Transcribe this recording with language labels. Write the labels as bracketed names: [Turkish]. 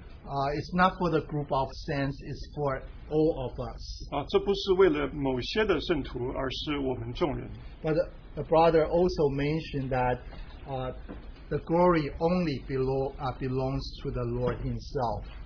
[English] It's not for the group of saints; it's for all of us. [Chinese] 这不是为了某些的圣徒，而是我们众人。 [English] But the brother also mentioned that. The glory only belongs to the Lord Himself.